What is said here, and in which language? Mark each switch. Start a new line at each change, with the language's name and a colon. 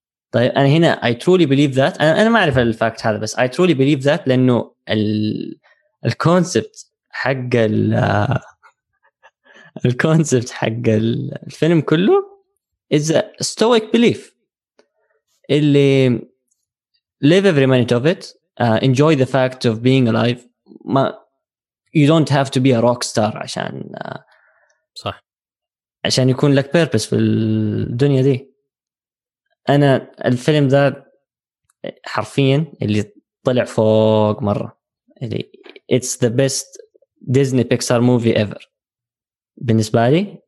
English: طيب انا هنا اي ترولي بيليف ذات، انا ما اعرف الفاكت هذا بس اي ترولي بيليف ذات، لانه الكونسبت حق الكونسبت حق الفيلم كله is a stoic belief اللي live every minute of it, enjoy the fact of being alive. ما you don't have to be a rock star عشان
Arabic: صح عشان يكون لك purpose في الدنيا دي. أنا الفيلم ذا حرفيا اللي طلع فوق مرة اللي it's the best Disney Pixar movie ever بالنسبة لي.